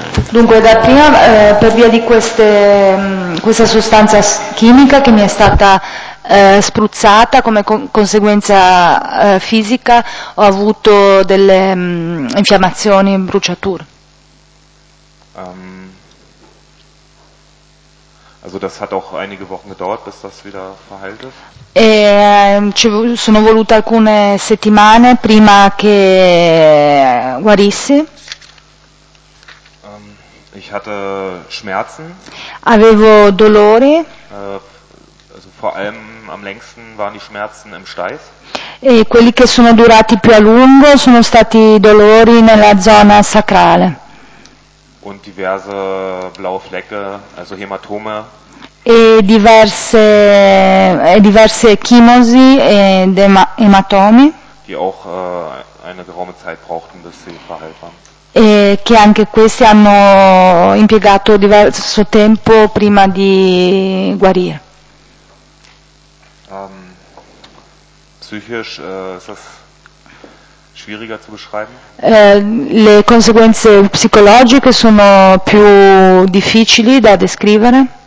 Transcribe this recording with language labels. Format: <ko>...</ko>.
<it>Dunque, da prima, per via di questa sostanza chimica che mi è stata spruzzata come conseguenza fisica, ho avuto delle infiammazioni, bruciature.</it> <de>Also das hat auch einige Wochen gedauert, bis das wieder verheilte.</de> <it>E ci sono volute alcune settimane prima che guarisse.</it> <de>Ich hatte Schmerzen.</de> <it>Avevo dolori.</it> <de>Also vor allem am längsten waren die Schmerzen im Steiß.</de> <it>E quelli che sono durati più a lungo sono stati dolori nella zona sacrale.</it> <de>Und diverse blaue Flecke, also Hämatome.</de> <it>E diverse chimosi ed ematomi,</it> <de>die auch eine geraume Zeit brauchten, bis sie verheilt waren.</de> <it>E che anche questi hanno impiegato diverso tempo prima di guarire.</it> <de>Psychisch ist das schwieriger zu beschreiben.</de> <it>Le conseguenze psicologiche sono più difficili da descrivere.</it>